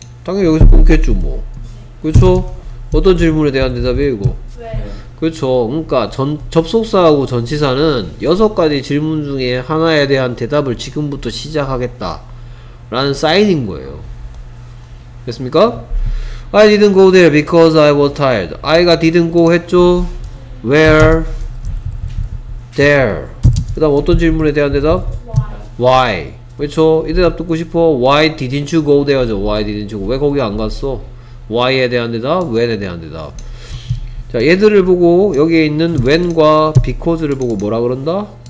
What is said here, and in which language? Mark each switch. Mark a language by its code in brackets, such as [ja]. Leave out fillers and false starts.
[ko] 당연히 여기서 끊겠죠 뭐. 그렇죠? 어떤 질문에 대한 대답이에요 이거? 왜? 그렇죠. 그러니까 접속사하고 전치사는 여섯 가지 질문 중에 하나에 대한 대답을 지금부터 시작하겠다 라는 사인인 거예요. 됐습니까? [en] I didn't go there because I was tired. I가 didn't go [ko] 했죠? [en] Where? There. [ko] 그 다음 어떤 질문에 대한 대답? [en] Why? Why? [ko] 그쵸? 이 대답 듣고 싶어? [en] Why didn't you go there? Why didn't you go? [ko] 왜 거기 안 갔어? Why에 대한 대답? When에 대한 대답. 자, 얘들을 보고 여기에 있는 when과 because를 보고 뭐라 그런다?